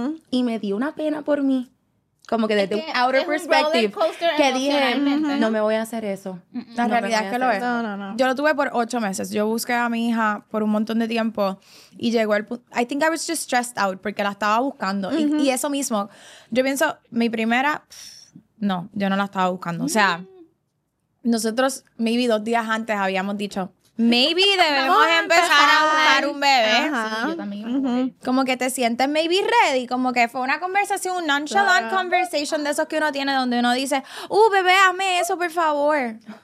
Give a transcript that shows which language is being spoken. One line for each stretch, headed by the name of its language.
Spanish: Y me dio una pena por mí. Como que desde un
English: outer perspective,
Spanish: que dije, no me voy a hacer eso. La realidad es que lo es. No. Yo lo tuve por 8 meses. Yo busqué a mi hija por un montón de tiempo y llegó el punto.
English: I think I was just stressed out
Spanish: porque la estaba buscando. Y eso mismo, yo pienso, mi primera, no, yo no la estaba buscando. O sea, nosotros,
English: maybe
Spanish: 2 días antes habíamos dicho, maybe debemos empezar a buscar un bebé. Sí, yo también. Como que te sientes
English: maybe ready.
Spanish: Como que fue una conversación, un
English: nonchalant conversation
Spanish: de esos que uno tiene donde uno dice, bebé, hazme eso, por favor.